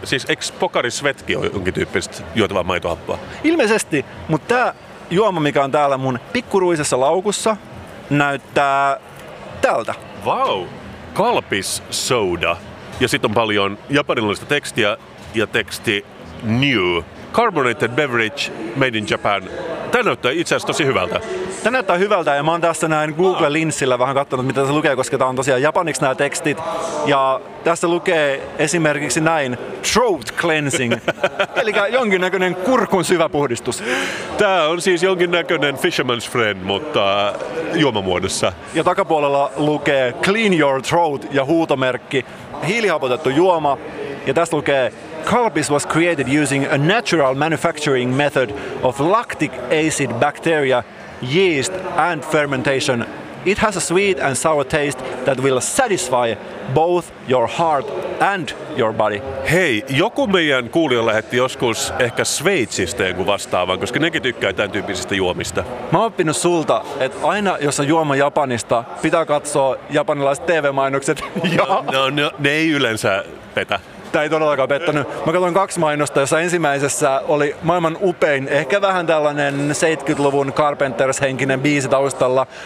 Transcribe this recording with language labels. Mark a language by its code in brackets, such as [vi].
[fi] Siis eks Pocari Svetki on jonkin tyyppistä juotavaa maitohappoa? Ilmeisesti, mutta tää juoma, mikä on täällä mun pikkuruisessa laukussa, näyttää tältä. Vau, kalpis soda. Ja sit on paljon japanilaisista tekstiä ja teksti... [en] New carbonated beverage made in Japan. [fi] Tämä näyttää itse asiassa tosi hyvältä. Tämä näyttää hyvältä ja mä oon tässä näin Google-linssillä vähän katsonut, mitä se lukee, koska tää on tosiaan japaniksi nämä tekstit. Ja tässä lukee esimerkiksi näin, [en] throat cleansing, [fi] eli jonkinnäköinen kurkun syvä puhdistus. Tää on siis jonkinnäköinen fisherman's friend, mutta juomamuodossa. Ja takapuolella lukee [en] clean your throat [fi] ja huutomerkki, hiilihapotettu juoma. Ja tässä lukee, [en] Kalpis was created using a natural manufacturing method of lactic acid bacteria, yeast and fermentation. It has a sweet and sour taste that will satisfy both your heart and your body. [fi] Hei, joku meidän kuulija lähetti joskus ehkä Sveitsistä jonkun vastaavan, koska nekin tykkää tämän tyyppisistä juomista. Mä oon oppinut sulta, että aina jos on juoma Japanista, pitää katsoa japanilaiset TV-mainokset. No, ne ei yleensä petä. Tämä ei todellakaan pettänyt. Mä katsoin kaksi mainosta, jossa ensimmäisessä oli maailman upein, ehkä vähän tällainen 70-luvun Carpenters-henkinen biisi taustalla.